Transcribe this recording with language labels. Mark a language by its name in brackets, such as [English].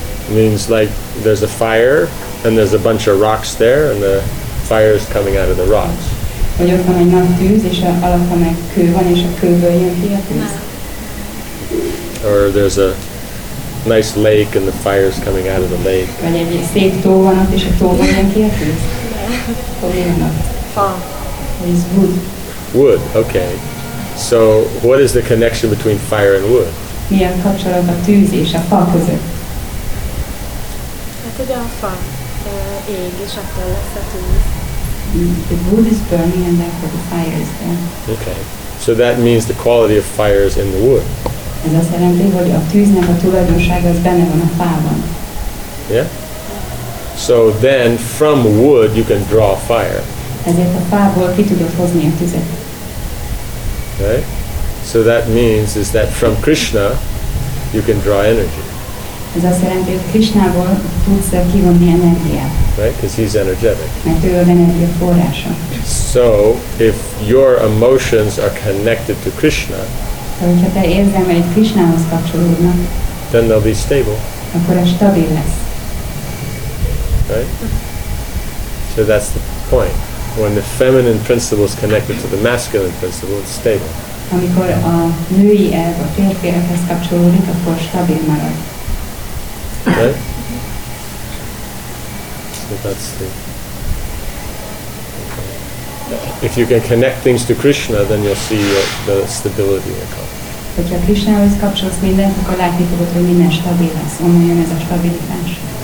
[English] It means like there's a fire and there's a bunch of rocks there and the fire is coming out of the rocks. [Hungarian] Vagy ott van egy nagy tűz és alatta meg kő van és a kőből jön ki a tűz. [English] Or there's a nice lake and the fire is coming out of the lake. [Hungarian] Vagy egy szép tó van ott és a tóból jön ki a tűz. Fa. [English] It's wood. Wood, okay. So what is the connection between fire and wood? [Hungarian] Mi a kapcsolat a tűz és a fa között? Hát ugye a fa ég, és attól lesz a tűz. [English] The wood is burning and therefore the fire is there. Okay. So that means the quality of fire is in the wood. [Hungarian] Ez azt jelenti, hogy a tűznek a tulajdonsága az benne van a fában. [English] Yeah? So then from wood you can draw fire. [Hungarian] Ezért a fából ki tudod hozni a tüzet. [English] Okay, so that means is that from Krishna you can draw energy. [Hungarian] Ez azt jelenti, hogy Krishnából tudsz kivonni energiát. [English] Right, because he's energetic. [Hungarian] Mert ő az energia forrása. [English] So if your emotions are connected to Krishna, [Hungarian] hogyha te érzelmeid Krishnához kapcsolódnak, [English] then they'll be stable. [Hungarian] Akkor a stabil lesz. [English] Right. So that's the point. When the feminine principle is connected to the masculine principle, it's stable. [Hungarian] Amikor a női elv a férfi elvhez kapcsolódik, akkor stabil marad. [English] Right? So that's the... If you can connect things to Krishna, then you'll see the stability in the car. [Hungarian] Hogyha Krishnához kapcsolsz mindent, akkor látni fogod, hogy minden stabil lesz. Onnan jön ez a stabilitás.